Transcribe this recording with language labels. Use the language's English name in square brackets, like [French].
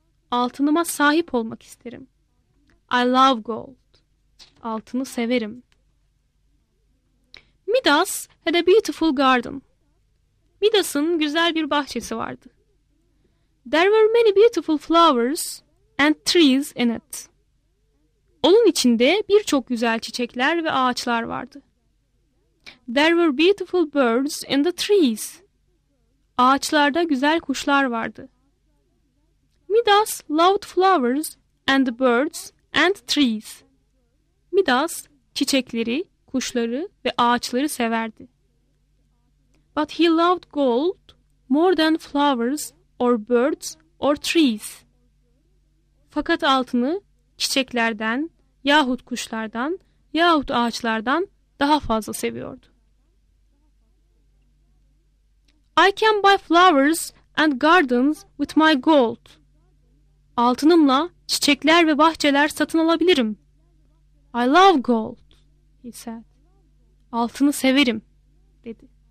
[Turkish] Altınıma sahip olmak isterim. [English] I love gold. [Turkish] Altını severim. [English] Midas had a beautiful garden. [Turkish] Midas'ın güzel bir bahçesi vardı. [English] There were many beautiful flowers and trees in it. [Turkish] Onun içinde birçok güzel çiçekler ve ağaçlar vardı. [English] There were beautiful birds in the trees. [Turkish] Ağaçlarda güzel kuşlar vardı. [English] Midas loved flowers and the birds and trees. [Turkish] Midas çiçekleri, kuşları ve ağaçları severdi. [English] But he loved gold more than flowers or birds or trees. [Turkish] Fakat altını çiçeklerden yahut kuşlardan yahut ağaçlardan daha fazla seviyordu. [English] I can buy flowers and gardens with my gold. [Turkish] Altınımla çiçekler ve bahçeler satın alabilirim. [English] I love gold, he said. [Turkish] Altını severim, dedi.